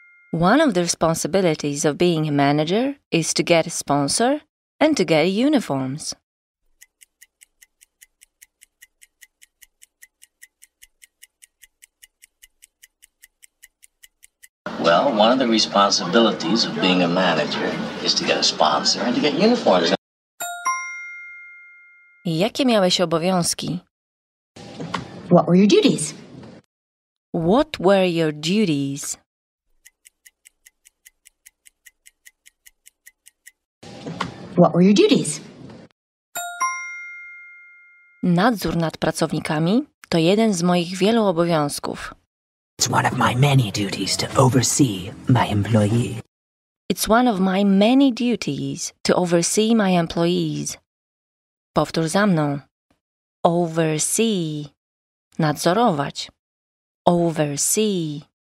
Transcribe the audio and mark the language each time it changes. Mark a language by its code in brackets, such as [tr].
[en] One of the responsibilities of being a manager is to get a sponsor and to get uniforms. Well, one of the responsibilities of being a manager is to get a sponsor and to get uniforms. [pl] Jakie miałeś obowiązki? [en] What were your duties? What were your duties? What were your duties? [pl] Nadzór nad pracownikami to jeden z moich wielu obowiązków. [en] It's one of my many duties to oversee my employees. It's one of my many duties to oversee my employees. [pl] Powtórz za mną. Oversee. Nadzorować. [en] Oversee.